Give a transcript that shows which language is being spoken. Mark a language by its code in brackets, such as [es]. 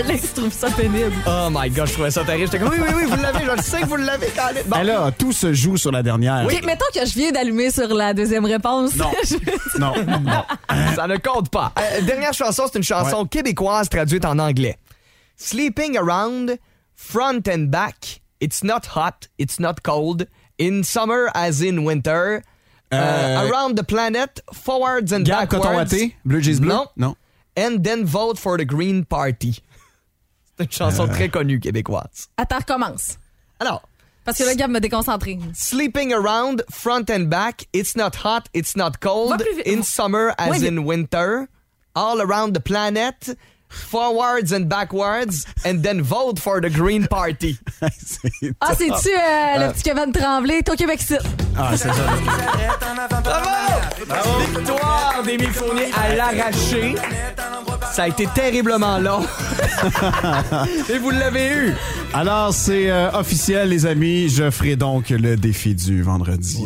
[fr] Alex trouve ça pénible. [en] Oh my gosh, [fr] je trouvais ça terrible. J'étais comme oui, vous l'avez, je le sais que vous l'avez quand même. Bon. Alors, tout se joue sur la dernière. Oui, mettons que je viens d'allumer sur la deuxième réponse. Non. Ça ne compte pas. Dernière chanson, c'est une chanson québécoise traduite en anglais. [en] Sleeping around, front and back, it's not hot, it's not cold. In summer as in winter, around the planet, forwards and [fr] Gab [en] backwards. [fr] Gab Coton Watté, Blue Jeans Bleu. Non. [en] And then vote for the Green Party. [fr] C'est une chanson très connue québécoise. Attends, recommence. Alors. Parce que le Gab m'a déconcentré. [en] Sleeping around, front and back, it's not hot, it's not cold. In summer as in winter, all around the planet, forwards and backwards, and then vote for the Green Party. [fr] Ah, c'est-tu le petit Kevin Tremblay, ton Québec site? Ah, c'est ça. Bravo! Victoire d'Amy Fournier à l'arraché. Ça a été terriblement long. Et vous l'avez eu. Alors, c'est officiel, les amis. Je ferai donc le défi du vendredi.